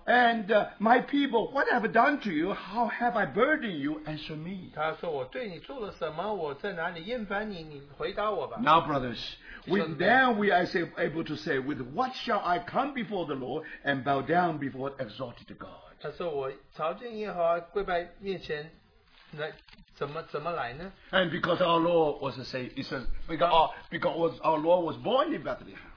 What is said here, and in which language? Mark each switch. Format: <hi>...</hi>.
<en>and my people, what have I done to you? How have I burdened you? Answer me.</en> <zh>他说我对你做了什么？我在哪里厌烦你？你回答我吧。</zh> <en>Now, brothers, we are able to say, with what shall I come before the Lord and bow down before exalted God?</en> <zh>他说我朝见耶和华跪拜面前。怎么来呢?</zh> <en>And because our Lord was the same, he says, because our Lord was born in Bethlehem.</en>